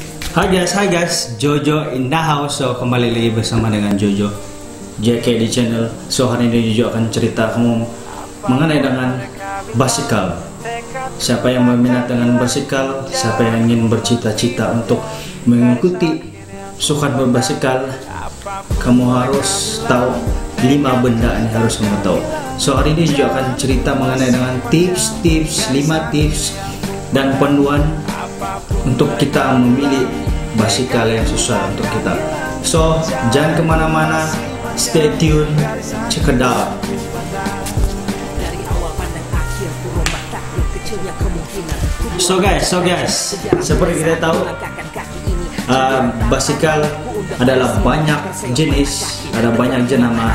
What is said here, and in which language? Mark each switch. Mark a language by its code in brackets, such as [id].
[en] Hai guys, Jojo in the house. [ms] So kembali lagi bersama dengan Jojo JK di channel. So hari ini Jojo akan cerita kamu mengenai dengan basikal. Siapa yang berminat dengan basikal? Siapa yang ingin bercita-cita untuk mengikuti suka berbasikal? Kamu harus tahu 5 benda yang harus kamu tahu. So hari ini Jojo akan cerita mengenai dengan tips-tips, 5 tips dan panduan untuk kita memilih basikal yang sesuai untuk kita. So, jangan kemana-mana, [en] stay tuned, check it out. [ms] So guys, seperti kita tahu, basikal adalah banyak jenis, ada banyak jenama.